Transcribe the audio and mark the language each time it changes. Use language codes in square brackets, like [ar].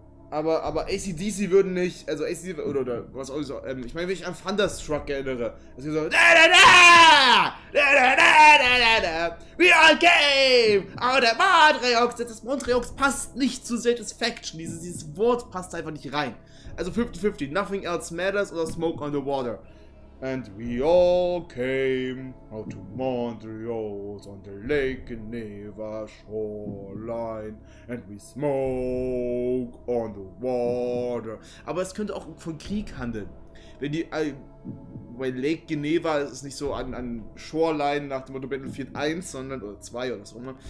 [de] Aber AC/DC würden nicht, also AC/DC oder was auch so, ich meine, wenn ich an Thunderstruck erinnere, dass wir so da da da da da da da da da [en] we all came out of Montreux, [de] das Montreux passt nicht zu Satisfaction, dieses Wort passt einfach nicht rein. Also 50-50, Nothing Else Matters oder Smoke on the Water. [en] And we all came out of Montreux on the Lake Geneva shoreline and we smoke on the water. [de] Aber es könnte auch von Krieg handeln. Wenn die, weil Lake Geneva ist nicht so an Shoreline nach dem Motto Battlefield 1, sondern, oder 2 oder so.